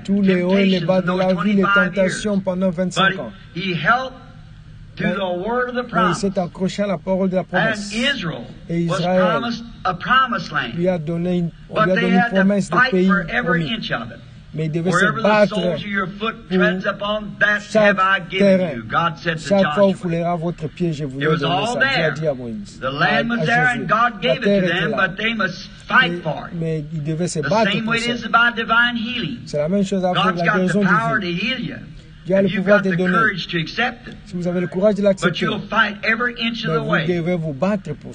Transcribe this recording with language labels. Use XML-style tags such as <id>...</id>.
<fr>tous les hauts et les bas de la vie, les tentations pendant 25 ans.</fr> <en>He helped to the word of the promise.</en> <fr>Et il s'est accroché à la parole de la promesse.</fr> <en>And Israel was promised a promised land.</en> <fr>Lui a donné une, on lui a donné une promesse de pays promis. Mais il devait se battre pour chaque terrain. Chaque fois où vous voulez avoir votre pied, je vous l'ai donné. Ça, Dieu a dit à Moïse.</fr> <en>The land was there and God gave it to them, but they must fight for it.</en> <fr>Mais il devait se battre ça.</fr> <en>The same way it is about divine healing.</en> <fr>C'est la même chose avec la guérison</fr> <en>divine. God's got the power to heal you. If you got the courage to accept it,</en> <fr>si vous avez le courage de l'accepter,</fr> <en>but you'll fight every inch of the way.</en> <fr>Vous devez vous battre pour ça.</fr>